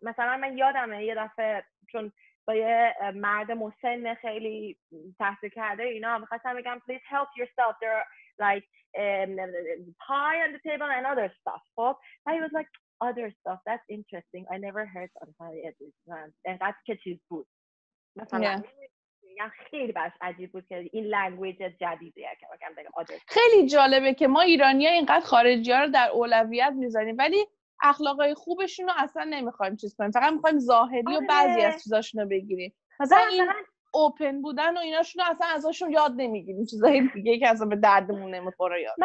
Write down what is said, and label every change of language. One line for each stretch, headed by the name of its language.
Persian: مثلا من یادمه یه دفعه چون با یه مرد مسن خیلی تحصیل کرده اینا میخواستم بگم
English: please help yourself, there are like pie on the table and other stuff. خب he was like other stuff, that's interesting, I never heard of that. And that's
Persian: که چیز بود مثلا خیلی باش عجیب بود که این لنگویج جدیدیه که بگم بگم
English: other stuff.
Persian: خیلی جالبه که ما ایرانی ها اینقدر خارجی ها رو در اولویت میذاریم ولی اخلاقای خوبشون رو اصلا نمیخوایم چیز کنیم، فقط میخوایم ظاهری آره. و بعضی از چیزاشون رو بگیریم، مثلا این اوپن بودن و ایناشون رو اصلا ازشون یاد نمیگیریم، چیزایی دیگه که اصلا به دردمون نمیخوره یاد